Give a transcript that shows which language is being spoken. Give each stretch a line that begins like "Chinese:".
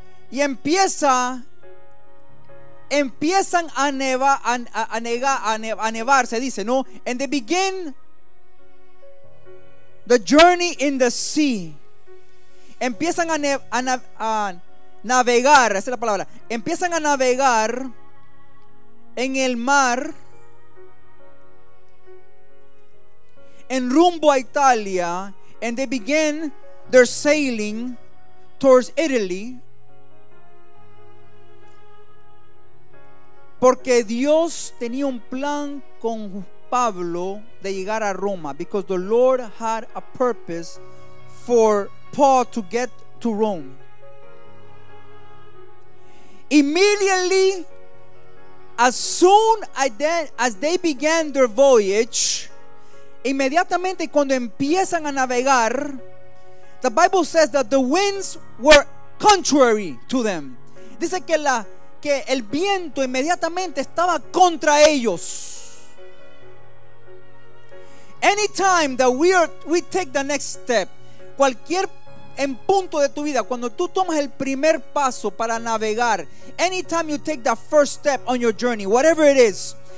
Spanish: Y empiezan a nevar, se dice, ¿no?
English: And they begin the journey in the sea.
Spanish: Empiezan a navegar, esa es la palabra. Empiezan a navegar en el mar en rumbo a Italia.
English: And they begin their sailing towards Italy.
Spanish: Porque Dios tenía un plan con Pablo de llegar a Roma.
English: Because the Lord had a purpose for Paul to get to Rome. Immediately, as soon as they began their voyage,
Spanish: inmediatamente cuando empiezan a navegar,
English: the Bible says that the winds were contrary to them.
Spanish: Dice que el viento inmediatamente estaba contra ellos.
English: Anytime that we take the next step,
Spanish: cualquier en punto de tu vida, cuando tú tomas el primer paso para navegar,
English: anytime you take that first step on your journey, whatever it is,